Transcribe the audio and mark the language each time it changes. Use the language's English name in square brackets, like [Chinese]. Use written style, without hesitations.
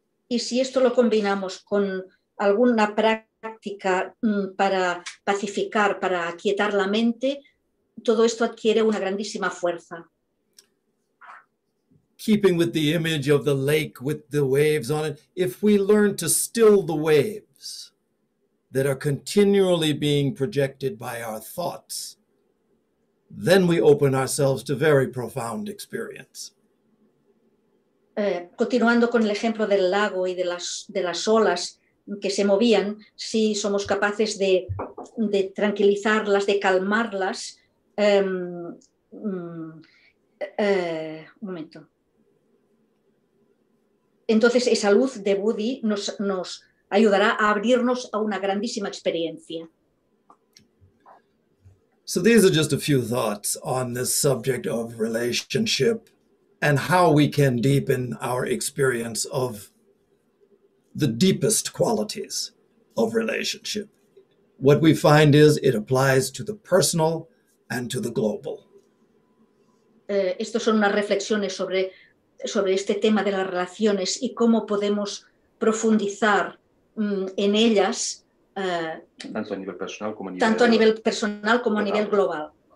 [Spanish] Y si esto lo combinamos con alguna práctica para pacificar, para aquietar la mente, todo esto adquiere una grandísima fuerza. [English] Keeping with the image of the lake with the waves on it, if we learn to still the waves that are continually being projected by our thoughts, then we open ourselves to very profound experience. [Spanish] Continuando con el ejemplo del lago y de las olas que se movían, si somos capaces de tranquilizarlas, de calmarlas. Un momento. Entonces, esa luz de Buddy nos ayudará a abrirnos a una grandísima experiencia. [English] So these are just a few thoughts on this subject of relationship and how we can deepen our experience of the deepest qualities of relationship. What we find is it applies to the personal and to the global. [Spanish] Estos son unas reflexiones sobre este tema de las relaciones y cómo podemos profundizar en ellas Tanto a nivel personal como a nivel, tanto a nivel personal como a nivel global.